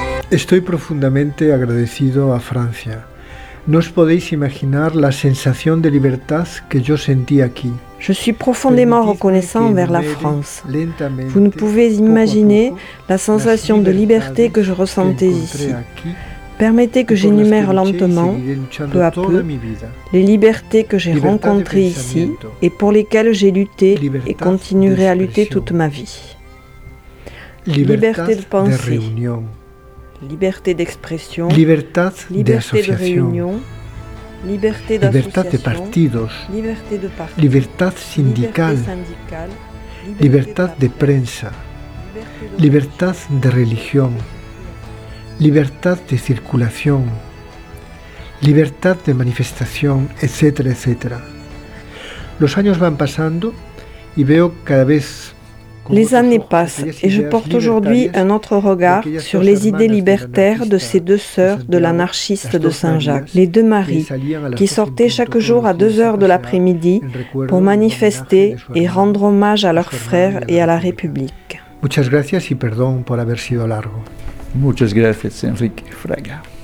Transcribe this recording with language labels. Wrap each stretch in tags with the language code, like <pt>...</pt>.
<es>Estoy profundamente agradecido a Francia. No os podéis imaginar la sensación de libertad que yo sentí aquí.</es> <fr>Je suis profondément reconnaissant envers la France. Vous ne pouvez imaginer la sensation de liberté que je ressentais ici. Permettez que j'énumère lentement, peu à peu, les libertés que j'ai rencontrées ici et pour lesquelles j'ai lutté et continuerai à lutter toute ma vie. Liberté de pensée. Liberté d'expression, liberté de réunion, liberté d'association,</fr> <es>de partidos,</es> <fr>liberté de parti, liberté syndicale, liberté de prensa, liberté de religion, liberté de circulation, liberté de manifestation, etc., etc.</fr> <es>Los años van pasando y veo cada vez...</es> <fr>Les années passent et je porte aujourd'hui un autre regard sur les idées libertaires de ces deux sœurs de l'anarchiste de Saint-Jacques, les deux Marie, qui sortaient chaque jour à 2h de l'après-midi pour manifester et rendre hommage à leurs frères et à la République.</fr> <es>Muchas gracias y perdón por haber sido largo. Muchas gracias, Enrique Fraga.</es>